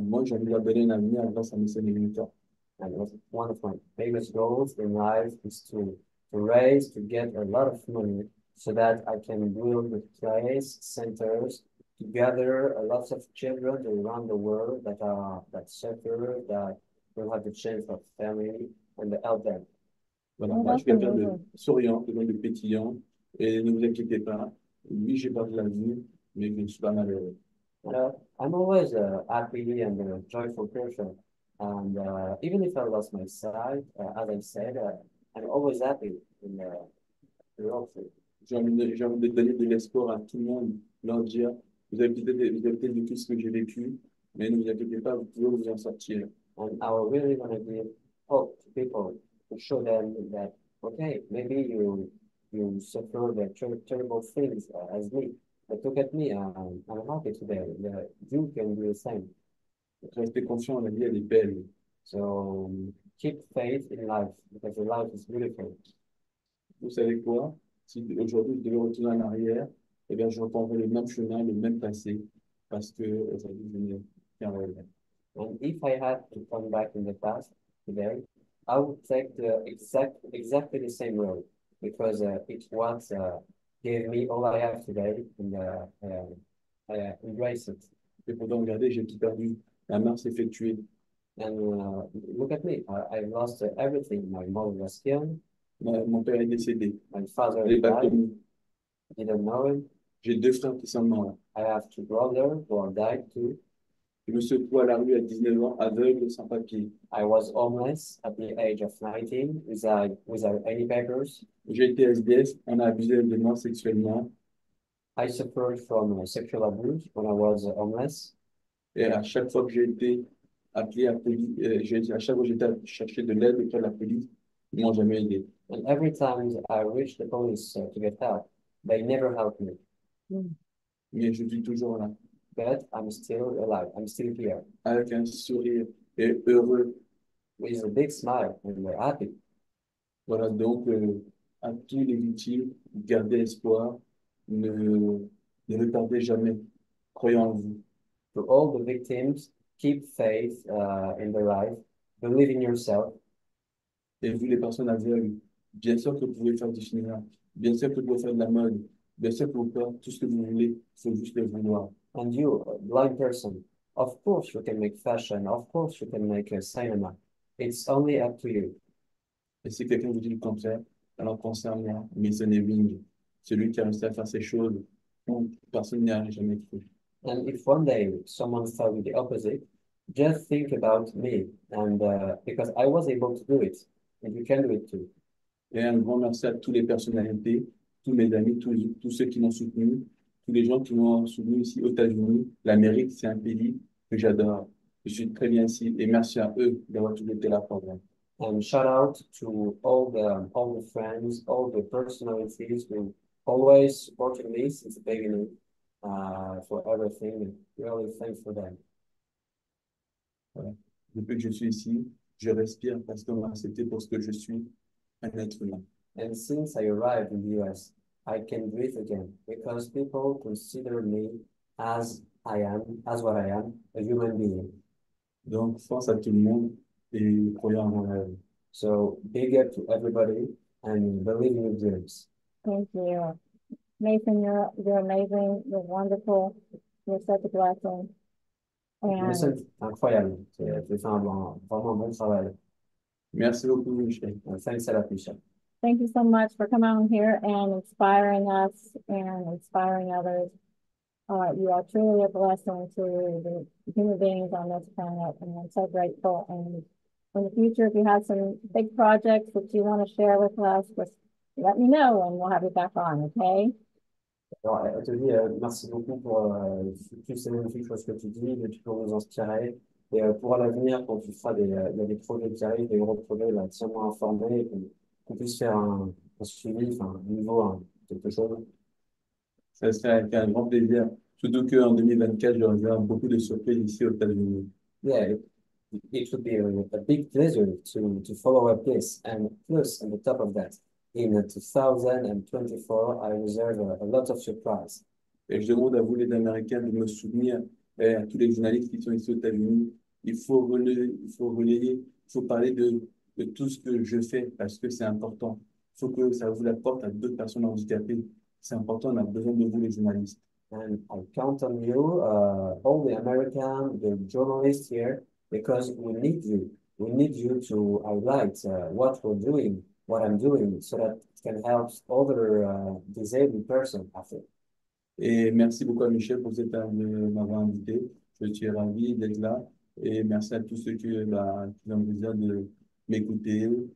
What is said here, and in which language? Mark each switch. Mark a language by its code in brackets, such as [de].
[fr] Moi, j'ai envie de leur donner un avenir grâce à mes séminaires. [en] And one of my famous goals in life is to raise, to get a lot of money so that I can build the place, centers to gather a lot of children around the world that suffer, that will have the chance of family and to help them. [fr] Voilà, moi je [en] that's [fr] quelqu'un de [en] amazing. [fr] souriant, quelqu'un de pétillant, et ne vous inquiétez pas, oui j'ai perdu la vue, mais je ne suis pas malheureux. [en] I'm always a happy and a joyful person. And even if I lost my sight, as I said, I'm always happy in the [fr] J'ai envie de donner de l'espoir à tout le monde, leur dire, vous avez peut-être vécu ce que j'ai vécu, mais ne vous inquiétez pas, vous pouvez vous en sortir. [en] And I really want to give hope to people to show them that, okay, maybe you suffer the terrible things as me, but look at me, I'm happy today. You can do the same. [fr] Restez confiant, la vie, elle est belle. [en] So keep faith in life because your life is beautiful. [fr] Vous savez quoi? Si aujourd'hui je devais retourner en arrière, eh bien je reprendrais le même chemin, le même passé, parce que ça devient bien réel. [en] And if I had to come back in the past today, I would take exactly the same road because it once gave me all I have today and embrace it. [fr] Et pourtant, regardez, j'ai tout perdu. La marche s'est effectuée. [en] And look at me, I lost everything. My mother was killed, [fr] Mon père est décédé. [en] my father [fr] Il n'est pas [en] died, [fr] connu. [en] didn't know him. [fr] J'ai deux frères qui sont morts. [en] I have two brothers who are died too. [fr] Je me suis retrouvé à la rue à 19 ans, aveugle, sans papier. [en] I was homeless at the age of 19 without any papers. [fr] J'ai été SDF, on a abusé de moi sexuellement. [en] I suffered from sexual abuse when I was homeless. [fr] Et à chaque fois que j'ai été appelé à la police, j'ai dit à chaque fois que j'ai été chercher de l'aide auprès de la police, ils m'ont jamais aidé. [en] And every time I reached the police to get help, they never helped me. [fr] Mais je suis toujours là, [en] But I'm still alive, I'm still here. [fr] avec un sourire et heureux. [en] With a big smile and we're happy. [fr] Voilà donc à tous les victimes, gardez espoir, ne perdez jamais, croyez en vous. [en] To all the victims, keep faith in the life, believe in yourself. [fr] Et vous, les personnes aveugles, bien sûr que vous pouvez faire du cinéma, bien sûr que vous pouvez faire de la mode, bien sûr que vous pouvez faire tout ce que vous voulez, c'est juste le vouloir. [en] And you, blind person, of course you can make fashion, of course you can make a cinema. It's only up to you. [fr] Et si quelqu'un vous dit le contraire, alors concernez-moi, Mason Ewing, celui qui a réussi à faire ces choses, où personne n'y a jamais cru. [en] And if one day someone tells you the opposite, just think about me and because I was able to do it, and you can do it too. [fr] Et un grand merci à toutes les personnalités, tous mes amis, tous ceux qui m'ont soutenu, tous les gens qui m'ont soutenu ici aux États-Unis. L'Amérique, c'est un pays que j'adore. Je suis très bien ici et merci à eux d'avoir toujours été là pour moi. [en] And shout out to all the friends, all the personalities who always supported me since the beginning. For everything, really thanks for them. [fr] Voilà. Depuis que je suis ici, je respire parce qu'on m'a accepté pour ce que je suis. Un être humain. [en] And since I arrived in the US, I can breathe again because people consider me as I am, as what I am, a human being. [fr] Donc, force à tout le monde et croyez en vos rêves. [en] So big up to everybody and believe in your dreams. Thank you. Mason, you're amazing, you're wonderful, you're such a blessing. And [fr] C'est incroyable, tu fais vraiment bon travail. merci beaucoup, Michel. [en] Thanks a lot, Michel. Thank you so much for coming on here and inspiring us and inspiring others. You are truly a blessing to the human beings on this planet, and I'm so grateful. And in the future, if you have some big projects that you want to share with us, just let me know and we'll have you back on, okay? [fr] Alors, je te dis merci beaucoup pour toutes ces magnifiques choses que tu dis, et pour nous inspirer. Et pour l'avenir, quand tu feras des projets qui arrivent, des gros projets, là, tiens-moi informé, qu'on puisse faire un suivi, enfin, quelque chose. Ça serait avec un grand plaisir, surtout qu'en 2024, je reviendrai beaucoup de surprises ici aux États-Unis. [en] It would be a big pleasure to follow up this. And plus, on the top of that, in 2024, I reserve a lot of surprise. [fr] Et je demande à vous, les Américains, de me soutenir et à tous les journalistes qui sont ici aux États-Unis. Il faut parler de tout ce que je fais parce que c'est important. Il faut que ça ouvre la porte à d'autres personnes handicapées. C'est important, on a besoin de vous, les journalistes. [en] And I count on you, all the Americans, the journalists here, because we need you. We need you to highlight what we're doing. What I'm doing so that it can help other disabled person, I think. [fr] Et merci beaucoup à Michel pour cette m'avoir invité. Je suis ravi d'être là. Et merci à tous ceux qui ont besoin de m'écouter.